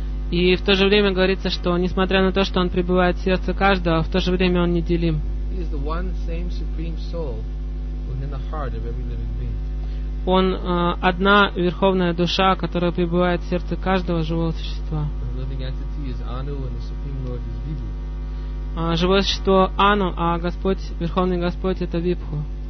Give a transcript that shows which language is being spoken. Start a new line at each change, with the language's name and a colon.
Russian: И в то же время говорится, что несмотря на то, что он пребывает в сердце каждого, в то же время он неделим.
English: He is the one same supreme soul within the heart of every living being.
Russian: Он одна верховная душа, которая пребывает в сердце каждого живого существа.
English: The living entity is Anu, and the supreme Lord is Vibhu.
Russian: Живое существо Ану, а Господь, верховный Господь, это Вибху.